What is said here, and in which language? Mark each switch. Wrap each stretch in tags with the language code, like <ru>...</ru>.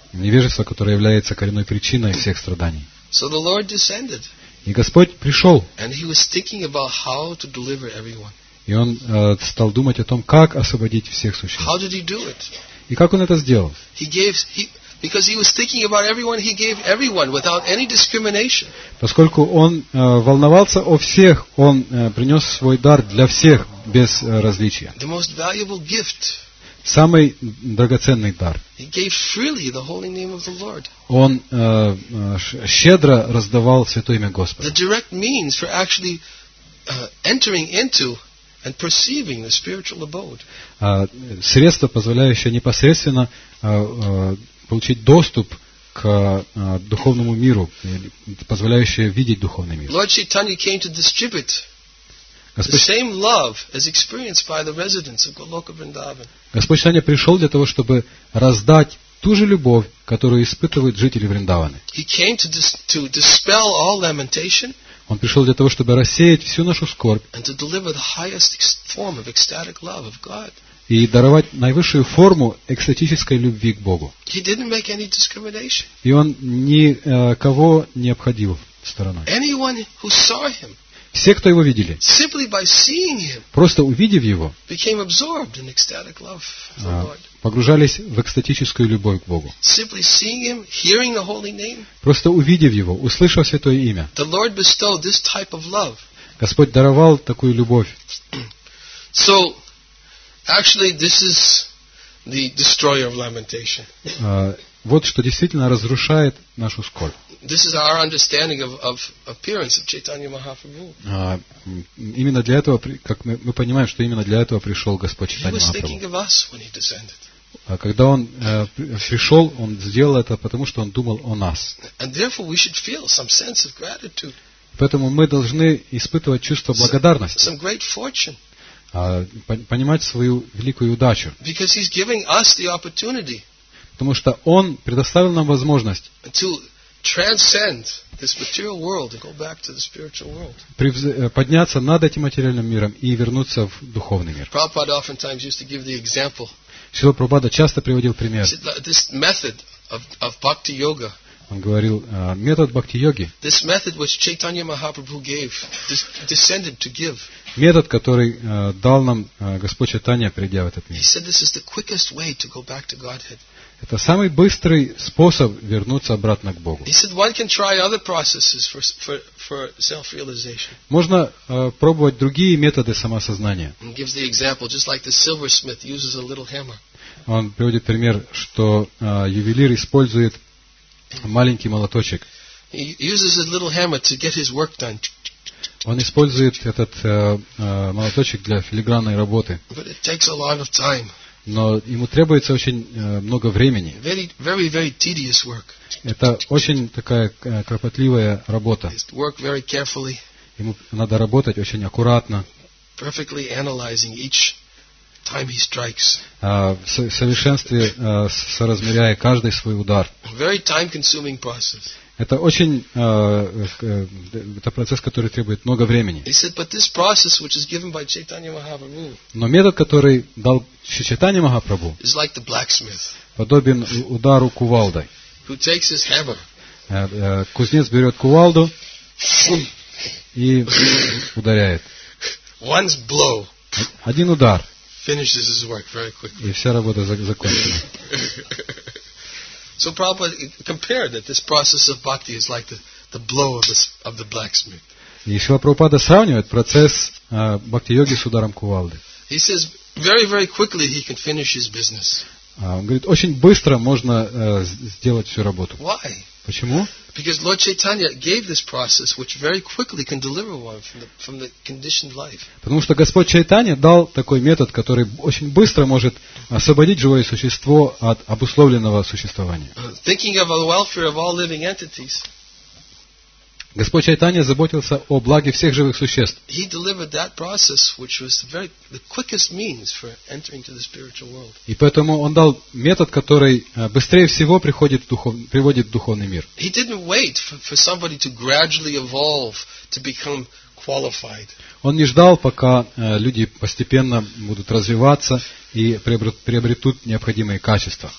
<ru>Невежество, которое является коренной причиной всех страданий.</ru> <en>So the Lord descended.</en> <ru>И Господь пришел.</ru> <en>And he was thinking about how to deliver everyone.</en> <ru>И он стал думать о том, как освободить всех существ.</ru> <en>How did he do it?</en> <ru>И как он это сделал?</ru> <en>Because he was thinking about everyone, he gave everyone without any discrimination.</en> <ru>Поскольку он волновался о всех, он принес свой дар для всех без различия.</ru> <en>The most valuable gift.</en> <ru>Самый драгоценный дар.</ru> <en>He gave freely the holy name of the Lord.</en> <ru>Он щедро раздавал святое имя Господа.</ru> <en>The direct means for actually entering into and perceiving the spiritual abode.</en> <ru>Средство, позволяющее непосредственно получить доступ к духовному миру, позволяющее видеть духовный мир.</ru> <en>Lord Chaitanya came to distribute the same love as experienced by the residents of Goloka Vrindavan.</en> <ru>Господь Чайтанья пришел для того, чтобы раздать ту же любовь, которую испытывают жители Вриндаваны.</ru> <en>He came to dispel all lamentation.</en> <ru>Он пришел для того, чтобы рассеять всю нашу скорбь.</ru> <en>And to deliver the highest form of ecstatic love of God.</en> <ru>И даровать наивысшую форму экстатической любви к Богу.</ru> <en>He didn't make any discrimination.</en> <ru>И он никого не обходил стороной.</ru> <en>Anyone who saw him,</en> <ru>все, кто его видели,</ru> <en>simply by seeing him,</en> <ru>просто увидев его,</ru> <en>became absorbed in ecstatic love for the Lord.</en> <ru>Погружались в экстатическую любовь к Богу.</ru> <en>Simply seeing him, hearing the holy name,</en> <ru>просто увидев его, услышав святое имя,</ru> <en>the Lord bestowed this type of love.</en> <ru>Господь даровал такую любовь.</ru> <en>So, actually, this is the destroyer of lamentation.</en> <ru>Вот что действительно разрушает нашу скорбь.</ru> <en>This is our understanding of appearance of Chaitanya Mahaprabhu.</en> <ru>Именно для этого, как мы понимаем, что именно для этого пришел Господь Чайтанья Махапрабху.</ru> <en>He was thinking of us when he descended.</en> <ru>Когда он пришел, он сделал это потому, что он думал о нас.</ru> <en>And therefore, we should feel some sense of gratitude.</en> <ru>Поэтому мы должны испытывать чувство благодарности.</ru> <en>Some great fortune.</en> <ru>Понимать свою великую удачу.</ru> <en>Because he's giving us the opportunity.</en> <ru>Потому что Он предоставил нам возможность</ru> <en>to transcend this material world and go back to the spiritual world.</en> <ru>Подняться над этим материальным миром и вернуться в духовный мир.</ru> <en>Prabhupada oftentimes used to give the example.</en> <ru>Шрила Прабхупада часто приводил пример.</ru> <en>This method of bhakti yoga.</en> <ru>Он говорил, метод бхакти-йоги.</ru> <en>This method was Chaitanya Mahaprabhu gave, descended to give.</en> <ru>Метод, который дал нам Господь Чайтанья, придя в этот мир.</ru> <en>He said this is the quickest way to go back to Godhead.</en> <ru>Это самый быстрый способ вернуться обратно к Богу.</ru> <en>He said one can try other processes for self-realization.</en> <ru>Можно пробовать другие методы самосознания.</ru> <en>He gives the example just like the silversmith uses a little hammer.</en> <ru>Он приводит пример, что ювелир использует маленький молоточек.</ru> <en>He uses a little hammer to get his work done.</en> <ru>Он использует этот молоточек для филигранной работы.</ru> <en>But it takes a lot of time.</en> <ru>Но ему требуется очень много времени.</ru> <en>Very, very, very tedious work.</en> <ru>Это очень такая кропотливая работа.</ru> <en>Work very carefully.</en> <ru>Ему надо работать очень аккуратно.</ru> <en>Perfectly analyzing each time he strikes.</en> <ru>В совершенстве соразмеряя каждый свой удар.</ru> <en>Very time-consuming process.</en> <ru>Это очень это процесс, который требует много времени.</ru> <en>He said, but this process, which is given by Chaitanya Mahaprabhu,</en> <ru>но метод, который дал Шри Чайтанья Махапрабху,</ru> <en>is like the blacksmith,</en> <ru>подобен удару кувалдой.</ru> <en>Who takes his hammer,</en> <ru>кузнец берет кувалду и ударяет.</ru> <en>One's blow,</en> <ru>один удар,</ru> <en>finishes his work very quickly.</en> <ru>И вся работа закончена.</ru> <en>So Prabhupada compared that this process of bhakti is like the blow of the blacksmith.</en> <ru>И Шрила Прабхупада сравнивает процесс бхакти-йоги с ударом кувалды.</ru> <en>He says very, very quickly he can finish his business.</en> <ru>Он говорит, очень быстро можно сделать всю работу.</ru> <en>Why?</en> <ru>Почему?</ru> <en>Because Lord Chaitanya gave this process which very quickly can deliver one from the conditioned life.</en> <ru>Потому что Господь Чайтанья дал такой метод, который очень быстро может освободить живое существо от обусловленного существования.</ru> <en>Thinking of the welfare of all living entities.</en> <ru>Господь Чайтанья заботился о благе всех живых существ.</ru> <en>He delivered that process which was the quickest means for entering to the spiritual world.</en> <ru>И поэтому он дал метод, который быстрее всего приводит в духовный мир.</ru> <en>He didn't wait for somebody to gradually evolve to become qualified.</en> <ru>Он не ждал, пока люди постепенно будут развиваться и приобретут необходимые качества.</ru>